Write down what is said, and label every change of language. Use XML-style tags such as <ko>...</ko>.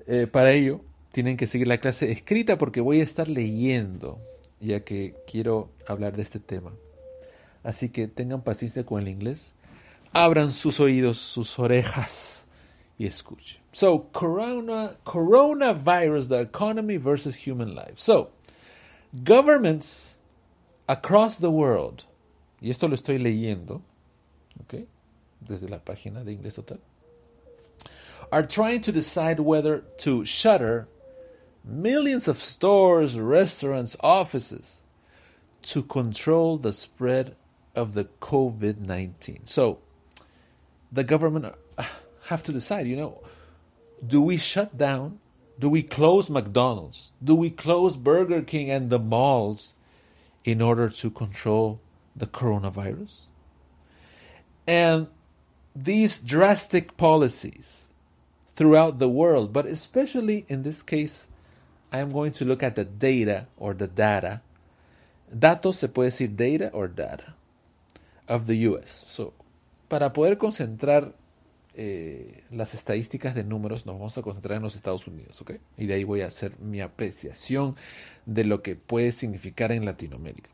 <es>Para ello, tienen que seguir la clase escrita porque voy a estar leyendo, ya que quiero hablar de este tema. Así que tengan paciencia con el inglés. Abran sus oídos, sus orejas y escuchen.</es> <en>So, coronavirus, the economy versus human life. So, governments across the world.</en> <es>Y esto lo estoy leyendo, okay, desde la página de Inglés Total.</es> <en>Are trying to decide whether to shutter millions of stores, restaurants, offices to control the spread of the COVID-19. So, the government have to decide, you know, do we shut down? Do we close McDonald's? Do we close Burger King and the malls in order to control the coronavirus? And these drastic policies throughout the world, but especially in this case, I am going to look at the data or the data.</en> <es>Datos se puede decir</es> <en>data or data of the US.</en> <es>So, para poder concentrar las estadísticas de números, nos vamos a concentrar en los Estados Unidos, ¿ok? Y de ahí voy a hacer mi apreciación de lo que puede significar en Latinoamérica.</es>